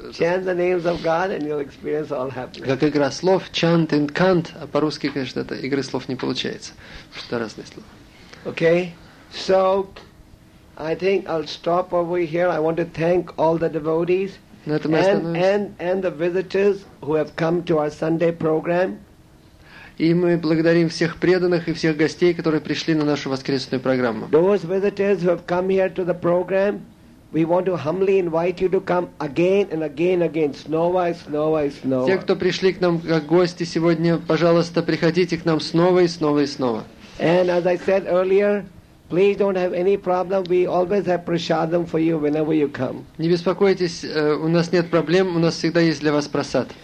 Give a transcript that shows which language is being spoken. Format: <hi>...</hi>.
<en>Chant the names of God and you'll experience all happiness.</en> <ru>Как игра слов,</ru> <en>chant and can't,</en> <ru>а по-русски, конечно, это игры слов не получается. Что разные слова.</ru> <en>Okay, so I think I'll stop over here. I want to thank all the devotees and the visitors who have come to our Sunday program.</en> <ru>И мы благодарим всех преданных и всех гостей, которые пришли на нашу воскресную программу.</ru> <en>Those visitors who have come here to the program, we want to humbly invite you to come again and again and again.</en> <ru>Снова. Те, кто пришли к нам как гости сегодня, пожалуйста, приходите к нам снова.</ru> <en>And as I said earlier, please don't have any problem. We always have prasadam for you whenever you come.</en> <ru>Не беспокойтесь, у нас нет проблем, у нас всегда есть для вас прасад.</ru>